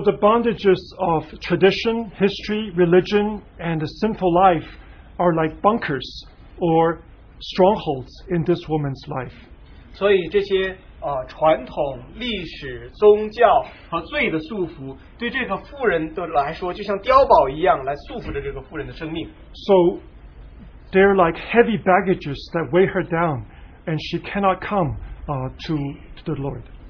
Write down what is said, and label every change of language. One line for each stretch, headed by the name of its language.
English: the bondages of tradition, history, religion, and a sinful life are like bunkers or strongholds in this woman's life.
Chinese: 所以这些 传统、历史、宗教和罪的束缚 对这个妇人来说就像碉堡一样来束缚着这个妇人的生命。
English: So they're like heavy baggages that weigh her down and she cannot come to the Lord.